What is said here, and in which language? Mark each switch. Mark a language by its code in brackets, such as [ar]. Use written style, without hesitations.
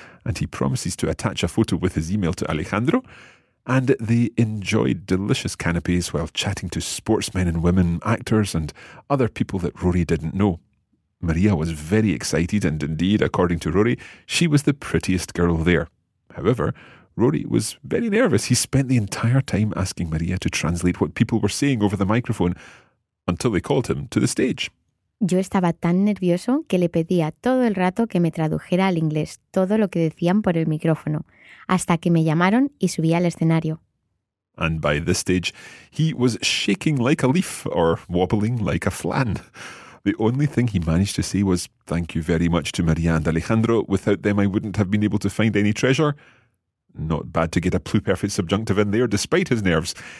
[en] and he promises to attach a photo with his email to Alejandro. And they enjoy delicious canapés while chatting to sportsmen and women, actors and other people that Rory didn't know. Maria was very excited and indeed, according to Rory, she was the prettiest girl there. However, Rory was very nervous. He spent the entire time asking Maria to translate what people were saying over the microphone until they called him to the stage. [es] Yo estaba tan nervioso que le pedía todo el rato que me tradujera al inglés todo lo que decían por el micrófono, hasta que me llamaron y subí al escenario. [en] And by this stage, he was shaking like a leaf or wobbling like a flan. The only thing he managed to say was, "Thank you very much to Maria and Alejandro. Without them, I wouldn't have been able to find any treasure." Not bad to get a pluperfect subjunctive in there, despite his nerves.